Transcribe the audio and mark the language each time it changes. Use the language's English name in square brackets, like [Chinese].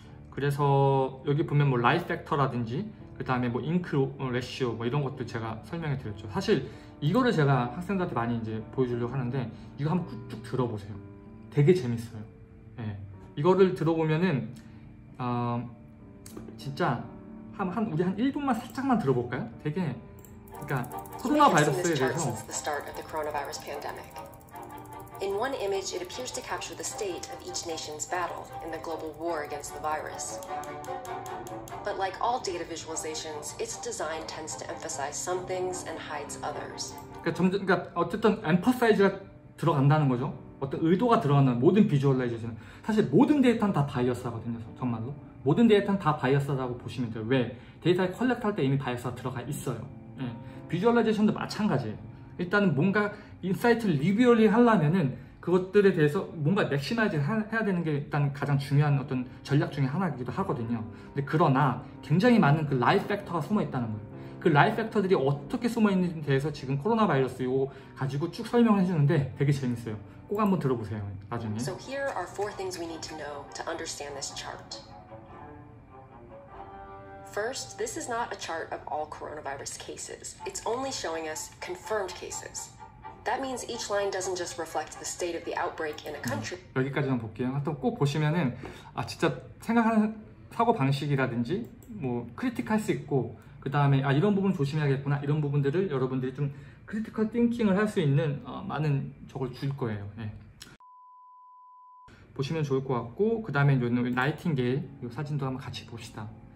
[Korean] 그래서 여기 보면 뭐 라이트 팩터라든지 그 다음에 뭐 잉크 레시오 뭐 이런 것들 제가 설명해 드렸죠. 사실 이거를 제가 학생들한테 많이 이제 보여주려고 하는데 이거 한번 쭉 들어보세요. 되게 재밌어요. 예, 이거를 들어보면은 진짜 한 1분만 살짝만 들어볼까요? 되게 그러니까 코로나 바이러스에 대해서 [English] the start of the coronavirus pandemic. In one image it appears to capture the state of each nation's battle in the global war against the virus. But like all data visualizations, its design tends to emphasize some things and hides others. [Korean] 그러니까 점점, 그러니까 어쨌든 엠퍼사이즈가 들어간다는 거죠. 어떤 의도가 들어가는 모든 비주얼라이저즈는 사실 모든 데이터는 다 바이어스라거든요. 정말로 모든 데이터는 다 바이어스라고 보시면 돼요. 왜? 데이터에 컬렉트할 때 이미 바이어스가 들어가 있어요. 예. 비주얼라이제이션도 마찬가지예요. 일단은 뭔가 인사이트를 리뷰얼링 하려면은 그것들에 대해서 뭔가 맥시마이즈 해야 되는 게 일단 가장 중요한 어떤 전략 중에 하나이기도 하거든요. 근데 그러나 굉장히 많은 그 라이프 팩터가 숨어 있다는 거예요. 그 라이프 팩터들이 어떻게 숨어 있는지에 대해서 지금 코로나 바이러스 이거 가지고 쭉 설명을 해주는데 되게 재밌어요. 꼭 한번 들어보세요. 나중에. [English] So here are four things we need to know to understand this chart. First, this is not a chart of all coronavirus cases. It's only showing us confirmed cases. That means each line doesn't just reflect the state of the outbreak in a country. [Korean] 여기까지만 볼게요. 하여튼 꼭 보시면은 아 진짜 생각하는 사고 방식이라든지 뭐 크리티컬 할 수 있고 그 다음에 아 이런 부분 조심해야겠구나 이런 부분들을 여러분들이 좀 크리티컬 띵킹을 할 수 있는 많은 저걸 줄 거예요. 예. 보시면 좋을 것 같고 그 다음에 요는 나이팅게일 요 사진도 한번 같이 봅시다.